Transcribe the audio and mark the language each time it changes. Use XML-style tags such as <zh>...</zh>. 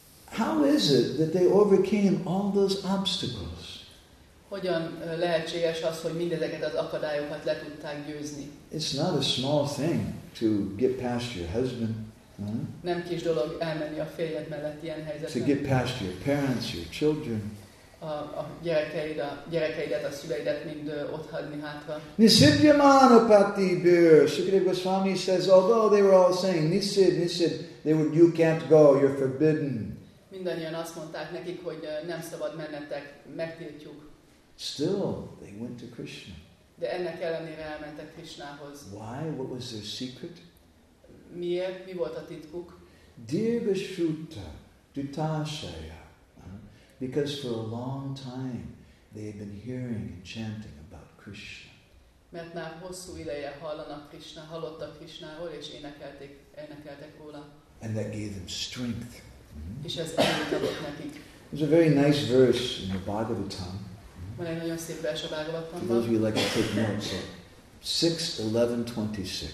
<en>How is it that they overcame all those obstacles?</en> <hu>Hogyan lehetséges az, hogy mindezeket az akadályokat le tudták győzni?</hu> <en>It's not a small thing to get past your husband.</en> <hu>Nem kis dolog elmenni a férjed mellett ilyen helyzetben.</hu> <en>To get past your parents, your children.</en> <hu>A gyerekeid, a gyerekeidet, a szüleidet mind otthagyni hátra.</hu> <sa>Nisidyamana pati bir.</sa> <en>Sukadeva Goswami says, although they were all saying, nisid, nisid, they would, you can't go, you're forbidden.</en> <hu>Mindannyian azt mondták nekik, hogy nem szabad mennetek, megtiltjuk.</hu> <en>Still, they went to Krishna.</en> <hu>De ennek ellenére elmentek Krishnához.</hu> <en>Why? What was their secret?</en> <hu>Miért? Mi volt a titkuk?</hu> <sa>Dirga Shruta Dutashaya.</sa> <en>Because for a long time they had been hearing and chanting about Krishna.</en> <hu>Mert már hosszú ideje hallanak Krishna, hallottak Krishnáról, és énekeltek róla.</hu> <en>And that gave them strength.</en> <hu>És ez erőt adott nekik.</hu> <en>There's a very nice verse in the Bhagavatam. For those of you who like to take notes, 6:11:26.</en>